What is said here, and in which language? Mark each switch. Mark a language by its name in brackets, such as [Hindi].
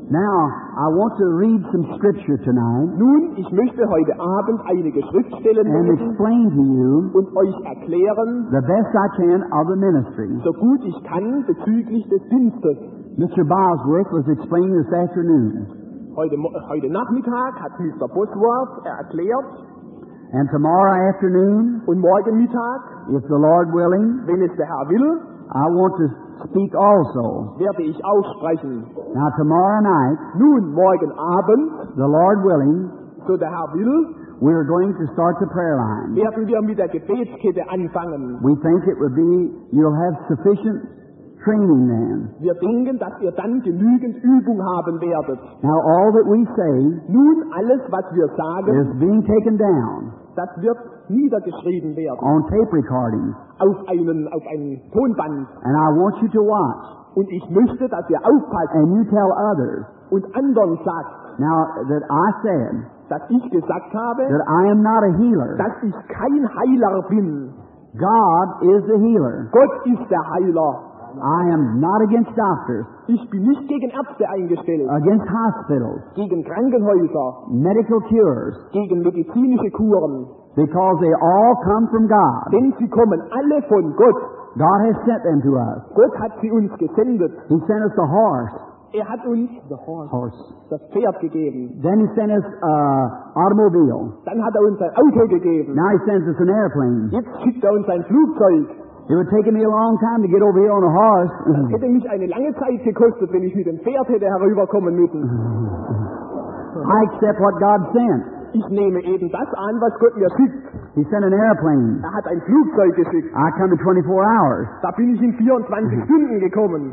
[English] Now, I want to read some scripture tonight. [German] Nun, ich möchte heute Abend einige Schriftstellen lesen. [English] And explain to you, [German] und euch erklären, [English] the best I can of the ministry. [German] So gut ich kann bezüglich des Dienstes. [English] Mr. Bosworth was explaining this afternoon. [German] Heute Nachmittag hat Mr. Bosworth erklärt. [English] And tomorrow afternoon, [German] und morgen Mittag, [English] if the Lord willing, [German] wenn es der Herr will, [English] I want to speak also. [German] Werde ich aussprechen. [English] Now tomorrow night, [German] nun morgen Abend, [English] the Lord willing, [German] so der Herr will, [English] we are going to start the prayer line. [German] Werden wir mit der Gebetskette anfangen. [English] We think it will be, you'll have sufficient training then. [German] Wir denken, dass ihr dann genügend Übung haben werdet. [English] Now all that we say, [German] nun alles, was wir sagen, [English] is being taken down. [German] Das wird niedergeschrieben werden. [English] On tape recording. [German] Auf einen Tonband. [English] And I want you to watch. [German] Und ich möchte, dass ihr aufpasst. [English] And you tell others. [German] Und anderen sagt. [English] Now that I said, [German] dass ich gesagt habe, [English] that I am not a healer. [German] Dass ich kein Heiler bin. [English] God is the healer. [German] Gott ist der Heiler. [English] I am not against doctors. [German] Ich bin nicht gegen Ärzte eingestellt. [English] Against hospitals. [German] Gegen Krankenhäuser. [English] Medical cures. [German] Gegen medizinische Kuren. [English] Because they all come from God. [German] Denn sie kommen alle von Gott. [English] God has sent them to us. [German] Gott hat sie uns gesendet. [English] He sent us the horse. [German] Er hat uns [English] the horse. [German] Das Pferd gegeben. [English] Then he sent us an automobile. [German] Dann hat er uns ein Auto gegeben. [English] Now he sends us an airplane. [German] Jetzt schickt er uns ein Flugzeug. [English] It would take me a long time to get over here on a horse. [German] Das hätte mich eine lange Zeit gekostet, wenn ich mit dem Pferd hätte herüberkommen müssen. [English] I accept what God sent. [German] Ich nehme eben das an, was Gott mir schickt. [English] He sent an airplane. [German] Er hat ein Flugzeug geschickt. [English] I come in 24 hours. [German] Da bin ich in 24 Stunden gekommen.